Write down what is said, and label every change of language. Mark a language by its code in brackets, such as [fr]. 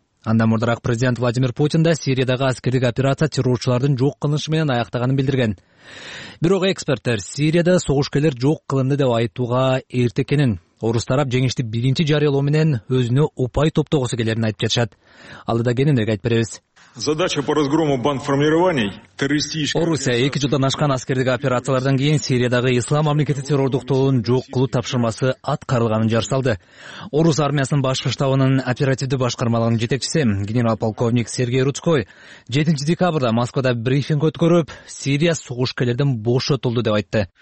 [ky] Андан мурдараак президент Владимир Путин да Сириядагы аскердик операция террорчулардын жок кылынышы менен аяктаганын билдирген. Бирок эксперттер Сирияда согушкерлер жок кылынды деп айтууга эрте экенин, орус тарап жеңишти биринчи жарыялоо менен өзүнө упай топтогусу келерин айтып жатышат. Алдыда кененирээк айтып беребиз. [ru] Задача по разгрому бандформирований террористических. [ky] Орусия 2 жылдан ашкан аскердик операциялардан кийин Сириядагы Ислам мамлекети террордук тобун жок кылуу тапшырмасы аткарылганын жар салды. Орус армиясынын башкы штабынын оперативдүү башкармалыгынын жетекчиси генерал-полковник Сергей Рудской 7 декабрда Москвада брифинг өткөрүп, Сирия согушкерлерден бошотулду деп айтты.